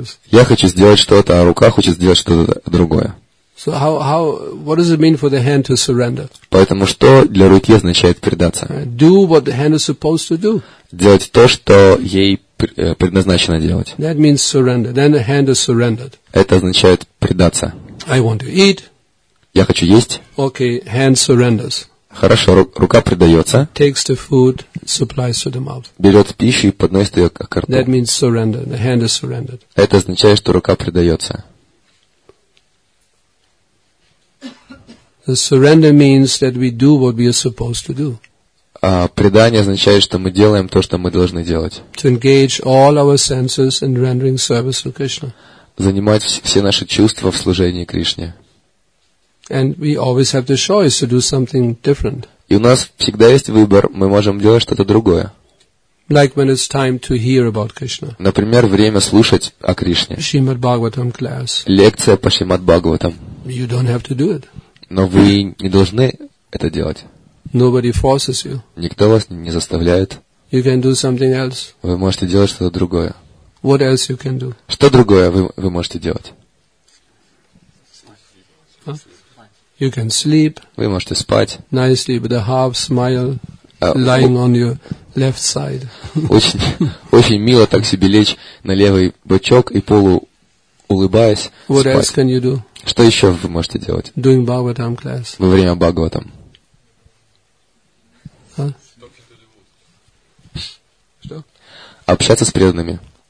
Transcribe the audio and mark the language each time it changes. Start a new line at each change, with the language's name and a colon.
Russian: Я хочу сделать что-то, а рука хочет сделать что-то другое.
English: So how what does it mean for the hand to surrender?
Russian: Поэтому что для руки означает предаться?
English: Do what the hand is supposed to do.
Russian: Делать то, что ей предназначено делать.
English: That means surrender. Then the hand is surrendered.
Russian: Это означает предаться.
English: I want to eat.
Russian: Я хочу есть.
English: Okay, hand surrenders.
Russian: Хорошо, рука предается.
English: Takes the food, supplies to the mouth.
Russian: Берет пищу и подносит ее к рту.
English: That means surrender. The hand is surrendered.
Russian: Это означает, что рука предается.
English: The surrender means that we do what we are supposed to do.
Russian: Предание означает, что мы делаем то, что мы должны делать.
English: To engage all our senses in rendering service to Krishna.
Russian: Занимать все наши чувства в служении Кришне.
English: And we always have the choice to do something different.
Russian: И у нас всегда есть выбор, мы можем делать что-то другое.
English: Like when it's time to hear about Krishna.
Russian: Например, время слушать о Кришне.
English: Shrimad Bhagavatam class.
Russian: Лекция по Шримад Бхагаватам.
English: You don't have to do it.
Russian: Но вы не должны это делать.
English: Nobody forces you.
Russian: Никто вас не заставляет.
English: You can do something else.
Russian: Вы можете делать что-то другое.
English: What else you can do?
Russian: Что другое вы можете делать?
English: Huh? You can sleep.
Russian: Вы можете спать.
English: Nicely with a half smile lying on your left side.
Russian: Очень, очень мило так себе лечь на левый бочок и полуулыбаясь.
English: What
Russian: спать.
English: Else can you do?
Russian: Что еще вы можете делать?
English: Doing Bhagavatam class.
Russian: Во время Бхагаватам. Huh? Что? Общаться с преданными.